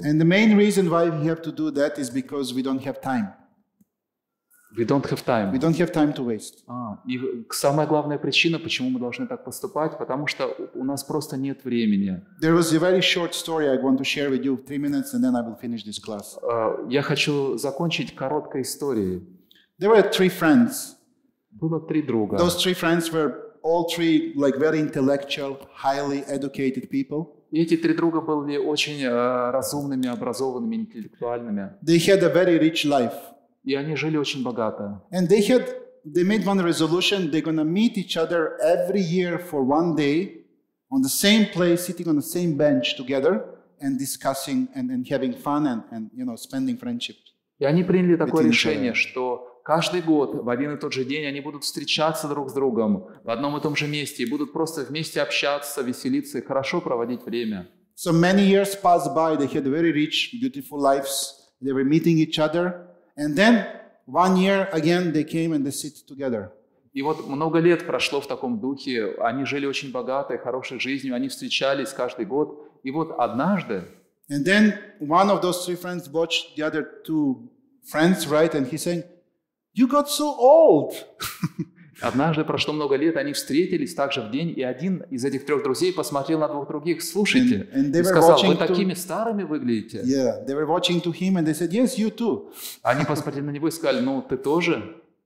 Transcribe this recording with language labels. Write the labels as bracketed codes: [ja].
[en] And the main reason why we have to do that is because we don't have time. We don't have time. We don't have time to waste. [ru] И самая главная причина, почему мы должны так поступать, потому что у нас просто нет времени. [en] There was a very short story I want to share with you 3 minutes, and then I will finish this class. [ru] Я хочу закончить короткой историей. [en] There were three friends. [ru] Было три друга. [en] Those three friends were all three like very intellectual, highly educated people. [ru] И эти три друга были очень разумными, образованными, интеллектуальными. [en] They had a very rich life. [ru] И они жили очень богато. [en] And they made one resolution, they're gonna meet each other every year for one day on the same place, sitting on the same bench together and discussing and having fun and you know, spending friendship. [ru] И они приняли такое решение, что каждый год в один и тот же день они будут встречаться друг с другом в одном и том же месте и будут просто вместе общаться, веселиться и хорошо проводить время. [en] So many years passed by, they had very rich, beautiful lives. They were meeting each other. And then one year again they came and they sit together. [ru] И вот много лет прошло в таком духе. Они жили очень богатой, хорошей жизнью. Они встречались каждый год. И вот однажды. [en] And then one of those three friends watched the other two friends, right? And he said, "You got so old." [ru] Однажды прошло много лет, они встретились также в день, и один из этих трех друзей посмотрел на двух других, слушайте, [en] and [ru] и сказал, вы такими старыми выглядите. [en] Yeah, said, yes, [ru] они посмотрели на него и сказали, ну, ты тоже.